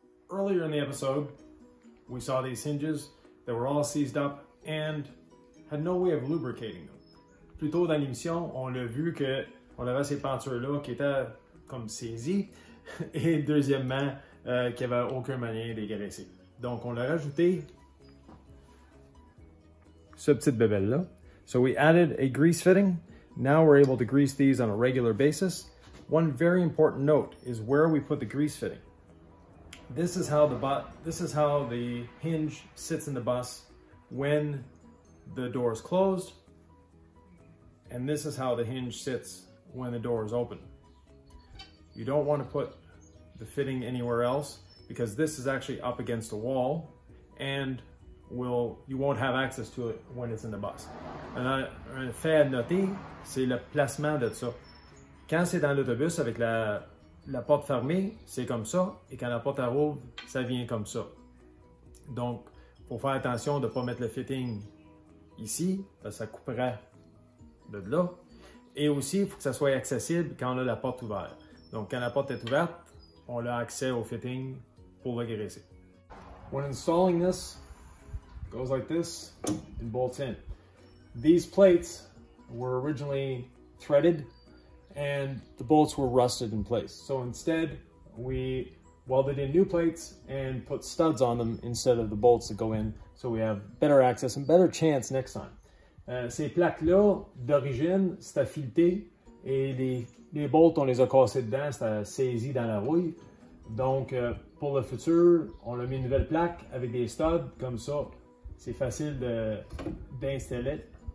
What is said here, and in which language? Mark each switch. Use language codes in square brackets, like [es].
[en] Earlier in the episode, we saw these hinges that were all seized up and had no way of lubricating them. [fr] Plus tôt dans l'émission, on a vu que on avait ces pentures-là qui étaient comme saisies et deuxièmement, qu'il n'y avait aucun moyen de les graisser. Donc, on a rajouté ce petit bébé-là. [en] So we added a grease fitting. Now we're able to grease these on a regular basis. One very important note is where we put the grease fitting. This is how the hinge sits in the bus when the door is closed, and this is how the hinge sits when the door is open. You don't want to put the fitting anywhere else because this is actually up against a wall, and you won't have access to it when it's in the bus. [fr] Un fait à noter, c'est le placement de ça. Quand c'est dans l'autobus avec la porte fermée, c'est comme ça, et quand la porte elle ouvre, ça vient comme ça. Donc, pour faire attention de ne pas mettre le fitting ici, parce que ça couperait de là. Et aussi, il faut que ça soit accessible quand on a la porte ouverte. Donc, quand la porte est ouverte, on a accès au fitting pour le graisser. [en] When installing this, it goes like this, and bolts in. These plates were originally threaded, and the bolts were rusted in place. So instead, we welded in new plates and put studs on them instead of the bolts that go in, so we have better access and better chance next time. [fr] Ces plaques-là, d'origine, c'était fileté, et les bolts, on les a cassés dedans, c'était saisi dans la rouille. Donc, pour le futur, on a mis une nouvelle plaque avec des studs, comme ça, c'est facile d'installer.